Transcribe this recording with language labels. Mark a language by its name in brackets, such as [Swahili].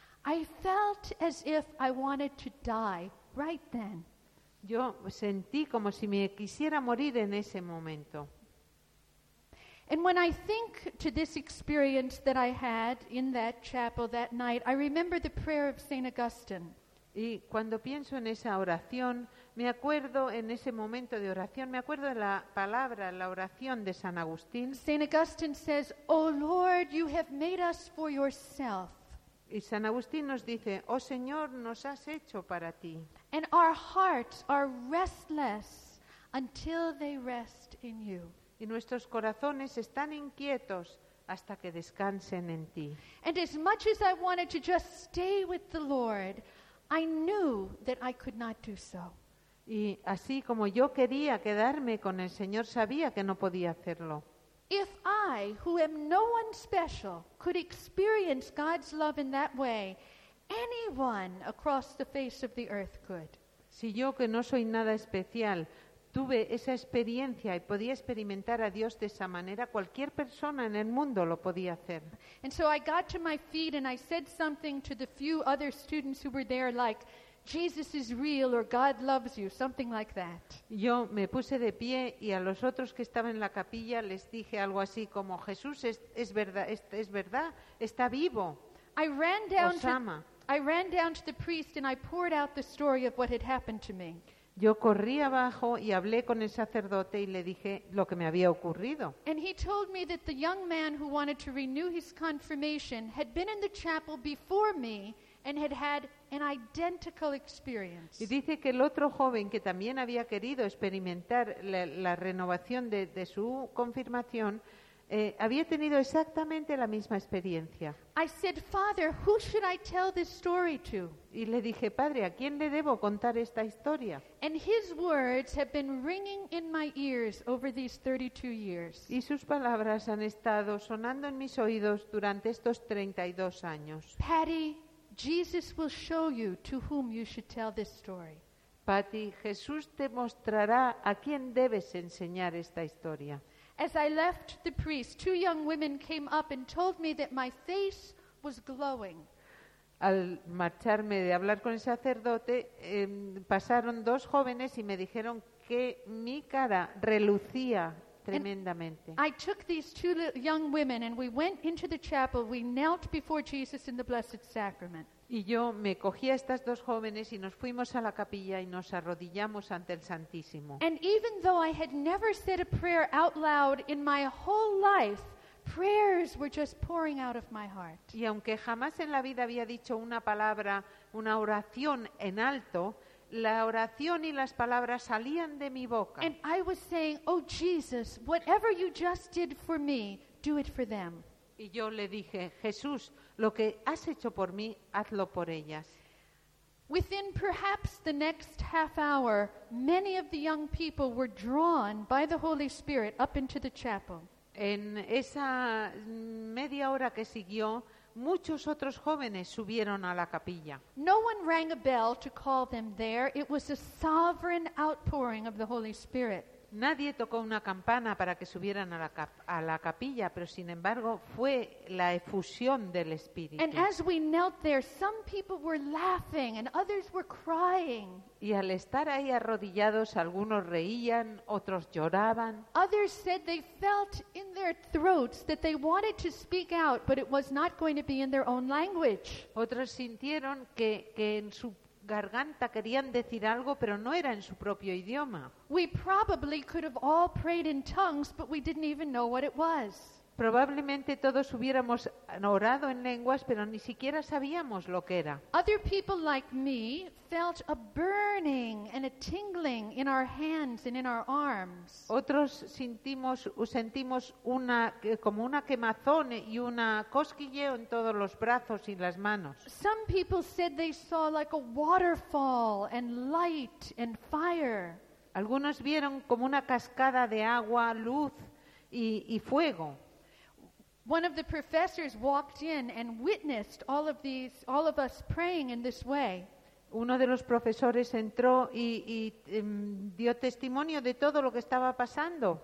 [English] I felt as if I wanted to die right then. [Spanish] Yo sentí como si me quisiera morir en ese momento. [English] And when I think to this experience that I had in that chapel that night, I remember the prayer of Saint Augustine. [Spanish] Y cuando pienso en esa oración, me acuerdo en ese momento de oración, me acuerdo de la palabra, la oración de San Agustín. [English] Saint Augustine says, "Oh Lord, you have made us for yourself." [Spanish] Y San Agustín nos dice, "Oh Señor, nos has hecho para ti." [English] And our hearts are restless until they rest in you. [Spanish] Y nuestros corazones están inquietos hasta que descansen en ti. [English] And as much as I wanted to just stay with the Lord, I knew that I could not do so. [Spanish] Y así como yo quería quedarme con el Señor, sabía que no podía hacerlo. [English] If I, who am no one special, could experience God's love in that way, anyone across the face of the earth could. [Spanish] Si yo, que no soy nada especial, tuve esa experiencia y podía experimentar a Dios de esa manera, cualquier persona en el mundo lo podía hacer. [English] And so I got to my feet and I said something to the few other students who were there, like, "Jesus is real," or "God loves you," something like that. [Spanish] Yo me puse de pie y a los otros que estaban en la capilla les dije algo así como, "Jesús es verdad, está vivo." [English] I ran down to the priest and I poured out the story of what had happened to me. [Spanish] Yo corrí abajo y hablé con el sacerdote y le dije lo que me había ocurrido. [English] And he told me that the young man who wanted to renew his confirmation had been in the chapel before me and had an identical experience. [Spanish] Y dice que el otro joven que también había querido experimentar la renovación de su confirmación había tenido exactamente la misma experiencia. [English] I said, "Father, who should I tell this story to?" [Spanish] Y le dije, "Padre, ¿a quién le debo contar esta historia?" [English] And his words have been ringing in my ears over these 32 years. [Spanish] Y sus palabras han estado sonando en mis oídos durante estos 32 años. [English] Patty, Jesus will show you to whom you should tell this story. [Spanish] Patty, Jesús te mostrará a quién debes enseñar esta historia. [English] As I left the priest, two young women came up and told me that my face was glowing. [Spanish] Al marcharme de hablar con el sacerdote, pasaron dos jóvenes y me dijeron que mi cara relucía tremendamente. [English] And I took these two young women and we went into the chapel. We knelt before Jesus in the Blessed Sacrament. [Spanish] Y yo me cogí a estas dos jóvenes y nos fuimos a la capilla y nos arrodillamos ante el Santísimo. [English] And even though I had never said a prayer out loud in my whole life, prayers were just pouring out of my heart. [Spanish] Y aunque jamás en la vida había dicho una palabra, una oración en alto, la oración y las palabras salían de mi boca. [English] And I was saying, "Oh Jesus, whatever you just did for me, do it for them." [Spanish] Y yo le dije, "Jesús, lo que has hecho por mí, hazlo por ellas." [English] Within perhaps the next half hour, many of the young people were drawn by the Holy Spirit up into the chapel. [Spanish] En esa media hora que siguió, muchos otros jóvenes subieron a la capilla. [English] No one rang a bell to call them there. It was a sovereign outpouring of the Holy Spirit. [Spanish] Nadie tocó una campana para que subieran a la capilla, pero sin embargo fue la efusión del Espíritu. [English] And as we knelt there, some people were laughing and others were crying. [Spanish] Y al estar ahí arrodillados, algunos reían, otros lloraban. [English] Others said they felt in their throats that they wanted to speak out, but it was not going to be in their own language. [Spanish] Otros sintieron que en su garganta querían decir algo, pero no era en su propio idioma. [English] We probably could have all prayed in tongues, but we didn't even know what it was. [Spanish] Probablemente todos hubiéramos orado en lenguas, pero ni siquiera sabíamos lo que era. [English] Other people like me felt a burning and a tingling in our hands and in our arms. [Spanish] Otros sentimos una como una quemazón y una cosquilleo en todos los brazos y las manos. [English] Some people said they saw like a waterfall and light and fire. [Spanish] Algunos vieron como una cascada de agua, luz y fuego. [English] One of the professors walked in and witnessed all of us praying in this way. [Spanish] Uno de los profesores entró y dio testimonio de todo lo que estaba pasando.